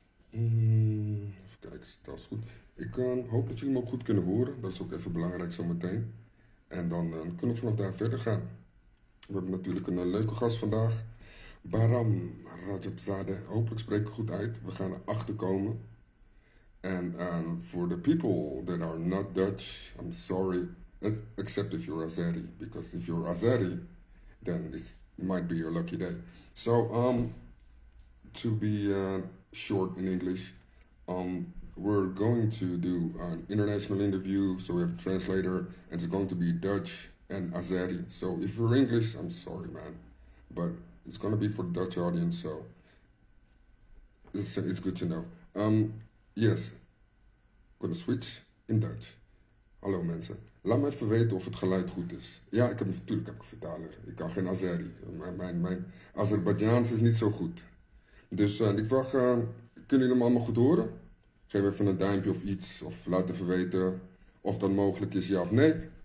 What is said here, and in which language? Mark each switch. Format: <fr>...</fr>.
<nl>Even kijken, is dat goed? Ik hoop dat jullie me ook goed kunnen horen, dat is ook even belangrijk zo meteen. En dan kunnen we vanaf daar verder gaan. We hebben natuurlijk een leuke gast vandaag, Bahram Rajabzadeh. Hopelijk spreek ik goed uit, we gaan erachter komen.</nl> <en>En for the people that are not Dutch, I'm sorry, except if you're Azeri, because if you're Azeri, then it's might be your lucky day. So, to be short in English, we're going to do an international interview. So we have a translator, and it's going to be Dutch and Azeri. So if you're English, I'm sorry, man, but it's going to be for the Dutch audience. So it's good to know. Yes, gonna switch in Dutch.</en> <nl>Hallo mensen. Laat me even weten of het geluid goed is. Ja, natuurlijk heb ik een vertaler. Ik kan geen Azeri. Mijn Azerbaidjaans is niet zo goed. Dus ik vraag, kunnen jullie hem allemaal goed horen? Geef even een duimpje of iets. Of laat even weten of dat mogelijk is, ja of nee.</nl>